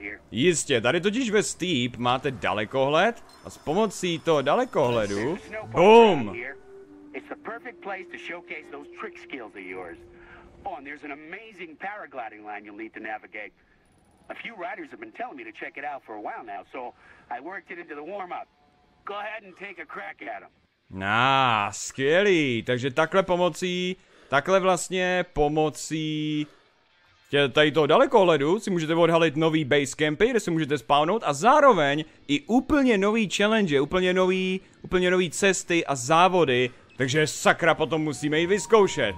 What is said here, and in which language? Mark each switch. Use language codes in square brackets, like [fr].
[cs] Jistě, tady totiž ve Steep máte dalekohled a s pomocí toho dalekohledu, BOOM! [en] It's the perfect place to showcase those trick skills of yours. Oh, and there's an amazing paragliding line you'll need to navigate. A few riders have been telling me to check it out for a while now, so I worked it into the warm-up. go ahead and take a crack at him. [cs] Skvělý, takže takhle vlastně pomocí tady toho dalekohledu si můžete odhalit nový base campy, kde se můžete spawnout a zároveň i úplně nový challenge, úplně nový cesty a závody, takže sakra potom musíme jí vyzkoušet.